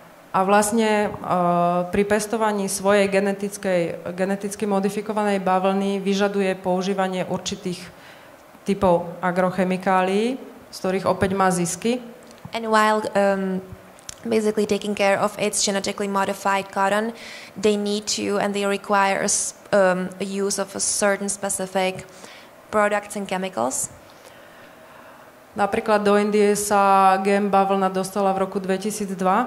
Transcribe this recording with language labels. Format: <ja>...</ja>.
<sk>A vlastne pri pestovaní svojej geneticky modifikovanej bavlny vyžaduje používanie určitých typov agrochemikálií, z ktorých opäť má zisky.</sk> <en>And while basically taking care of its genetically modified cotton, they need to and they require a use of a certain specific products and chemicals.</en> <sk>Napríklad do Indie sa GM bavlna dostala v roku 2002.</sk>